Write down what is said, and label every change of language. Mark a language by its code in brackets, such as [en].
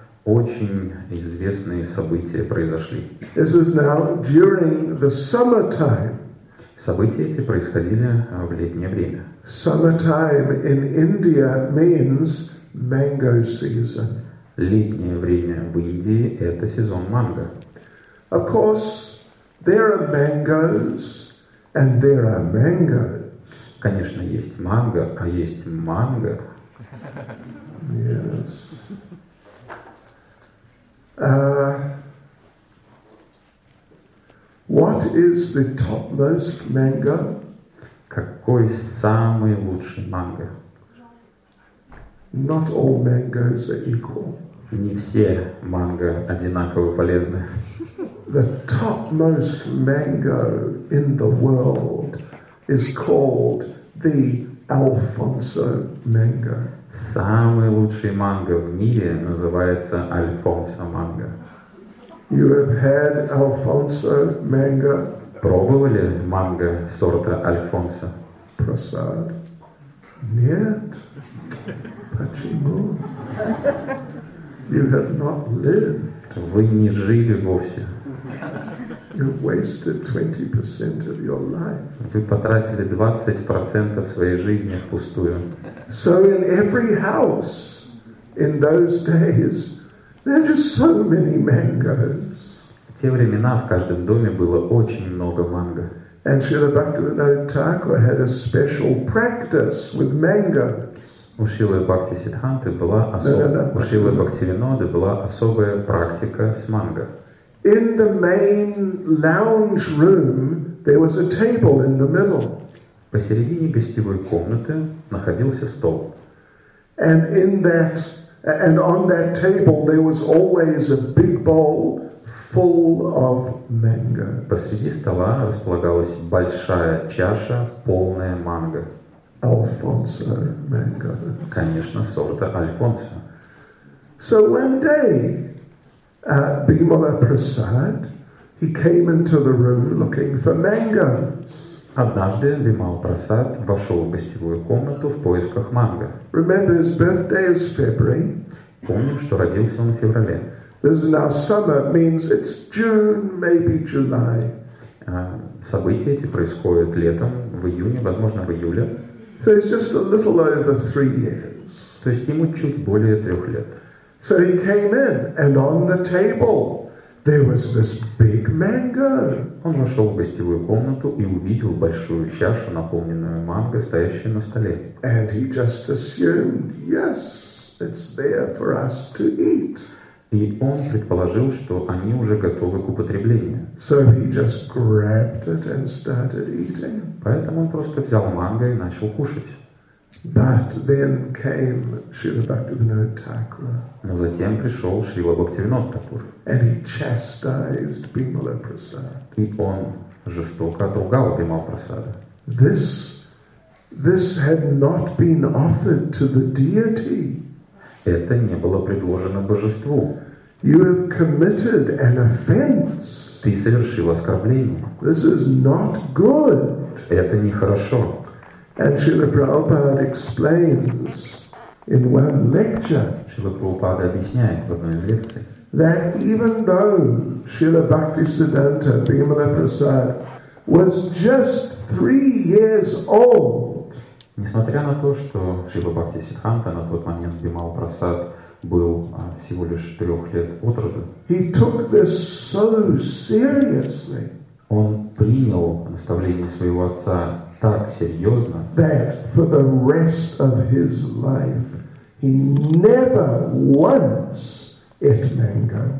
[ru] Очень известные события произошли. [en] This is now during the summer time. [ru] События эти происходили в летнее время. [en] Summertime in India means mango season. [ru] Летнее время в Индии – это сезон манго. [en] Of course, there are mangoes and there are mangoes. [ru] Конечно, есть манго, а есть манго. [en] Yes. What is the topmost mango? [ru] Какой самый лучший манго? [en] Not all mangoes are equal. [ru] Не все манго одинаково полезны. [en] The topmost mango in the world is called the Alfonso mango. [ru] Самый лучший манго в мире называется Альфонсо манго. [en] You have had Alfonso mango? [ru] Пробовали манго сорта Альфонсо? Prasad. Нет. Почему? [en] You have not lived. [ru] Вы не жили вовсе. [en] You wasted 20% of your life. [ru] Вы потратили 20% своей жизни впустую. [en] So in every house in those days there were just so many mangoes. [ru] В те времена в каждом доме было очень много манго. [en] And Srila Bhaktivinoda Thakur had a special practice with mango. [ru] У Шрилы Бхактисиддханты была у Шрилы Бхактивинода была особая практика с манго. [en] In the main lounge room there was a table in the middle. [ru] Посередине гостевой комнаты находился стол. [en] And in that and on that table there was always a big bowl full of mango. [ru] Посреди стола располагалась большая чаша, полная манго. [en] Alfonso mangoes. [ru] Конечно, сорта Альфонсо. [en] So one day, Bimala Prasad, he came into the room looking for mangoes. [ru] Однажды Бимала Прасад вошел в гостевую комнату в поисках манго. [en] Remember, his birthday is February. [ru] Помним, что родился он в феврале. [en] This is now summer, means it's June, maybe July. [ru] События эти происходят летом, в июне, возможно, в июле. [en] So it's just a little over 3 years. [ru] То есть ему чуть более 3 лет. [en] So he came in, and on the table there was this big mango. [ru] Он вошел в гостевую комнату и увидел большую чашу, наполненную манго, стоящую на столе. [en] And he just assumed, yes, it's there for us to eat. [ru] И он предположил, что они уже готовы к употреблению. [en] So he just grabbed it and started eating. [ru] Поэтому он просто взял манго и начал кушать. [en] But then came Srila Bhaktivinoda Thakura. [ru] Но затем пришел Шрила Бхактивинода Тхакур. [en] And he chastised Bimala Prasad. [ru] И он жестоко отругал Бимала Прасада. [en] This had not been offered to the deity. [ru] Это не было предложено божеству. [en] You have committed an offense. [ru] Ты совершил оскорбление. [en] This is not good. [ru] Это нехорошо. [en] And Srila Prabhupada explains in one lecture. [ru] Srila Prabhupada объясняет в одной из лекций. [en] That even though Srila Bhaktisiddhanta Bimala Prasad was just 3 years old. [ru] Несмотря на то, что Шрила Бхакти Сиддханта на тот момент Бимала Прасад был всего лишь 3 лет от роду, [en] he took this so seriously, [ru] он принял наставление своего отца так серьезно, [en] that for the rest of his life he never once ate mango.